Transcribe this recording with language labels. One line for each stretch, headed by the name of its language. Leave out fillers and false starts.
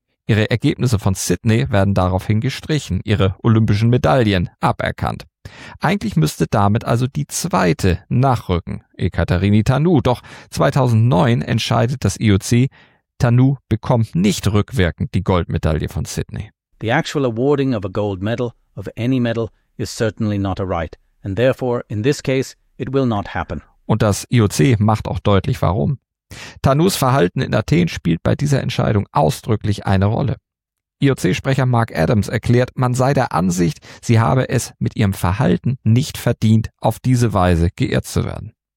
German: Ihre Ergebnisse von Sydney werden daraufhin gestrichen, ihre olympischen Medaillen aberkannt. Eigentlich müsste damit also die zweite nachrücken, Ekaterini Tanu. Doch 2009 entscheidet das IOC, Tanu bekommt nicht rückwirkend die Goldmedaille von Sydney.
English: The actual awarding of a gold medal, of any medal, is certainly not a right, and therefore in this case it will not happen.
German: Und das IOC macht auch deutlich, warum. Tanus Verhalten in Athen spielt bei dieser Entscheidung ausdrücklich eine Rolle. IOC-Sprecher Mark Adams erklärt, man sei der Ansicht, sie habe es mit ihrem Verhalten nicht verdient, auf diese Weise geehrt zu werden.